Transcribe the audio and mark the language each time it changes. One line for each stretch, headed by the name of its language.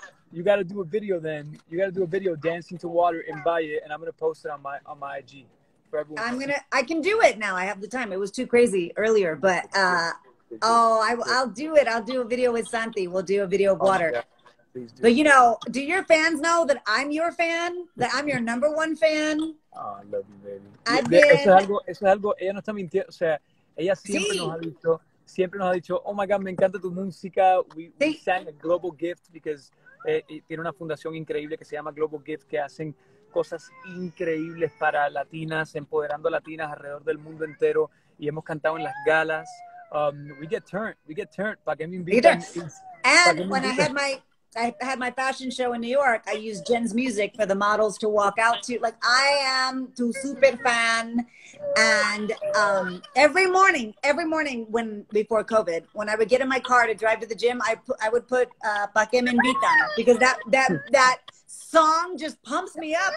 English: You gotta do a video then. You gotta do a video dancing to water in Bahia, and I'm gonna post it on my IG. I can do it now. I have the time. It was too crazy earlier, but I'll do it. I'll do a video with Santi. We'll do a video of water. Please do. But you know, do your fans know that I'm your fan? That I'm your number one fan? Oh, I love you, baby.
Spanish: Eso es algo. Ella no está mintiendo. O sea, ella siempre sí. nos ha dicho,
English: oh my God,
Spanish: me encanta tu música.
English: We sang a Global Gift because
Spanish: tiene una fundación increíble que se llama Global Gift que hacen cosas increíbles para latinas, empoderando a latinas alrededor del mundo entero, y hemos cantado en las galas.
English: We get turned. Para que me inviten. And when I had my fashion show in New York, I used Jen's music for the models to walk out to. Like, I am tu super fan. And every morning when before COVID, when I would get in my car to drive to the gym, I would put Para que me inviten, because that song just pumps me up.